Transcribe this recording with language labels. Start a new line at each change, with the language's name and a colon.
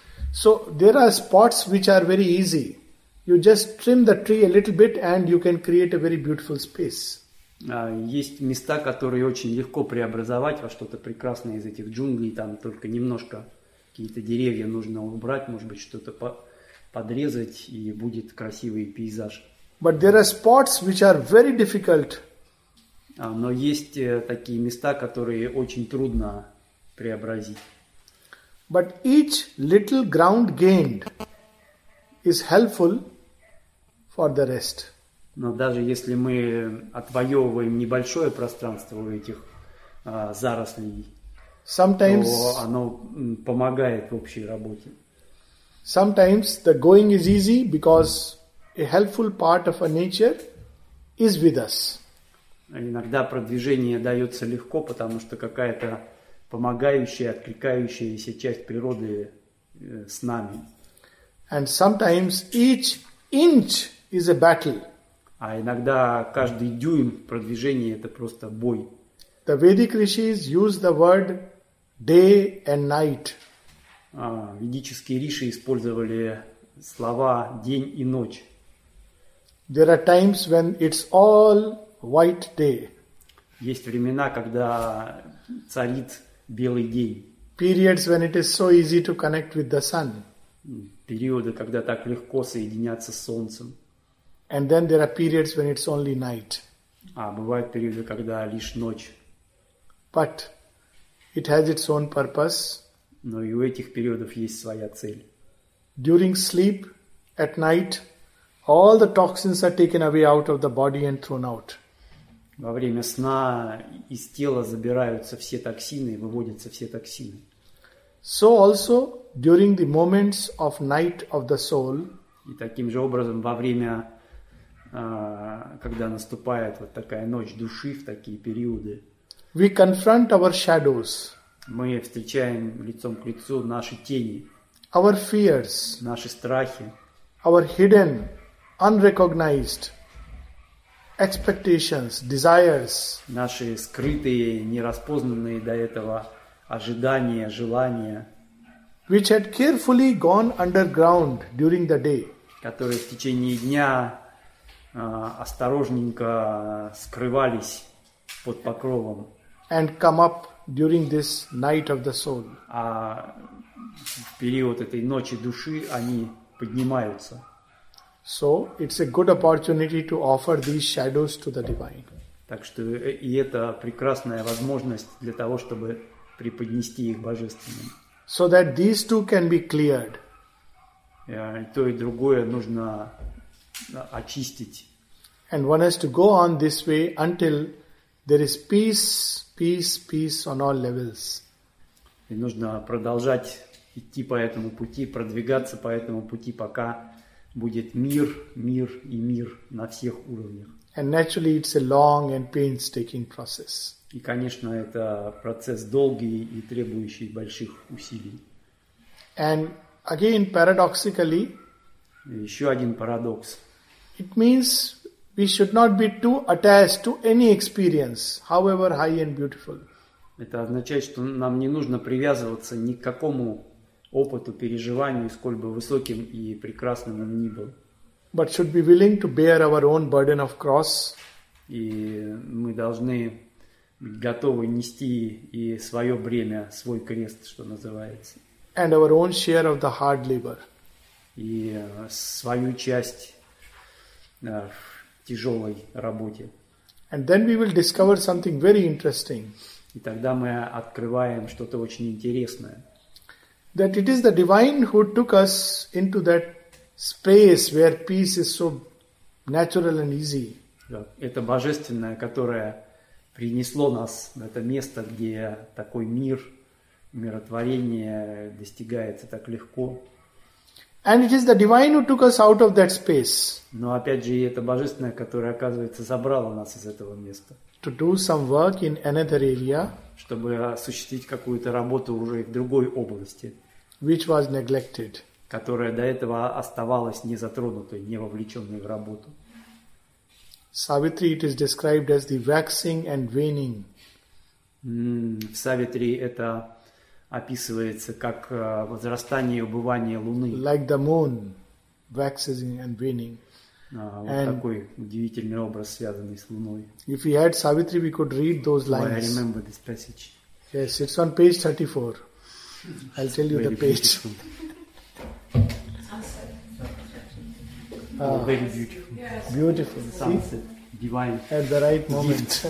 English: So there are spots which are very easy. You just trim the tree a little bit and you can create a very beautiful space.
Russian: Есть места, которые очень легко преобразовать во что-то прекрасное из этих джунглей. Там только немножко какие-то деревья нужно убрать, может быть, что-то подрезать, и будет красивый пейзаж.
English: But there are spots which are very difficult.
Russian: Но есть такие места, которые очень трудно преобразить.
English: But each little ground gained is helpful for the rest.
Russian: Но даже если мы отвоевываем небольшое пространство у этих зарослей,
English: sometimes,
Russian: то оно помогает в общей работе.
English: Sometimes the going is easy because a helpful part of our nature is with us.
Russian: Иногда продвижение дается легко, потому что какая-то помогающая, откликающаяся часть природы с нами.
English: And sometimes each inch is a battle.
Russian: А иногда каждый дюйм продвижения это просто бой.
English: The Vedic rishis use the word day and night.
Russian: Ведические риши использовали слова день и ночь.
English: There are times when it's all white day.
Russian: Есть времена, когда царит белый день.
English: Periods when it is so easy to connect with the sun.
Russian: Периоды, когда так легко соединяться с солнцем.
English: And then there are periods when it's only night.
Russian: А бывают периоды, когда лишь ночь.
English: But it has its own purpose.
Russian: Но и у этих периодов есть своя цель.
English: During sleep at night, all the toxins are taken away out of the body and thrown out.
Russian: Во время сна из тела забираются все токсины и выводятся все токсины.
English: So also during the moments of night of the soul.
Russian: И таким же образом во время, когда наступает вот такая ночь души в такие периоды.
English: We confront our shadows.
Russian: Мы встречаем лицом к лицу наши тени.
English: Our fears.
Russian: Наши страхи.
English: Our hidden, unrecognized expectations, desires.
Russian: Наши скрытые, нераспознанные до этого ожидания, желания.
English: Which had carefully gone underground during the day.
Russian: Которые в течение дня осторожненько скрывались под покровом.
English: And come up during this night of the soul.
Russian: А в период этой ночи души они поднимаются.
English: So it's a good opportunity to offer these shadows to the divine.
Russian: Так что и это прекрасная возможность для того, чтобы преподнести их божественным.
English: So that these two can be cleared.
Russian: И то и другое нужно очистить.
English: And one has to go on this way until there is peace, peace, peace on all levels.
Russian: И нужно продолжать идти по этому пути, продвигаться по этому пути, пока будет мир, мир и мир на всех уровнях.
English: And naturally it's a long and painstaking process.
Russian: И, конечно, это процесс долгий и требующий больших усилий.
English: And again, paradoxically,
Russian: еще один парадокс.
English: It means we should not be too attached to any experience, however high and beautiful.
Russian: Это означает, что нам не нужно привязываться ни к какому опыту, переживанию, сколь бы высоким и прекрасным он ни был.
English: But should be willing to bear our own burden of cross.
Russian: И мы должны быть готовы нести и свое бремя, свой крест, что называется.
English: And our own share of the hard labor.
Russian: И свою часть в тяжелой работе.
English: And then we will discover something very interesting.
Russian: И тогда мы открываем что-то очень интересное.
English: That it is the divine who took us into that space where peace is so natural and easy.
Russian: Это божественное, которое принесло нас в это место, где такой мир, умиротворение достигается так легко.
English: And it is the divine who took us out of that space.
Russian: Но опять же, это божественное, которое, оказывается, забрало нас из этого места.
English: To do some work in another area.
Russian: Чтобы осуществить какую-то работу уже в другой области.
English: Which was neglected.
Russian: Которая до этого оставалась незатронутой, не вовлеченной в работу.
English: Savitri, it is described as the waxing and waning.
Russian: В Савитри это описывается как возрастание и убывание Луны.
English: Like the moon, waxing and waning.
Russian: Вот and такой удивительный образ, связанный с Луной.
English: If we had Savitri, we could read those lines. Oh, I remember this passage. Yes, it's on page 34. I'll tell you the page. Very beautiful. Yes. Beautiful. The sunset. Divine. At the right moment.